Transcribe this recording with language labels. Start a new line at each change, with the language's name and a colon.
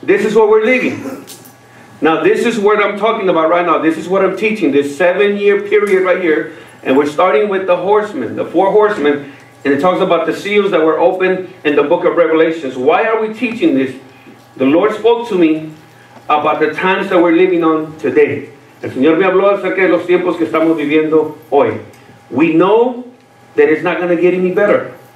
English: This is where we're leaving. Now, this is what I'm talking about right now. This is what I'm teaching. This seven-year period right here. And we're starting with the horsemen, the four horsemen. And it talks about the seals that were opened in the book of Revelations. Why are we teaching this? The Lord spoke to me about the times that we're living on today.
Spanish: El Señor me habló acerca de los tiempos que estamos viviendo hoy.
English: We know that it's not going to get any better.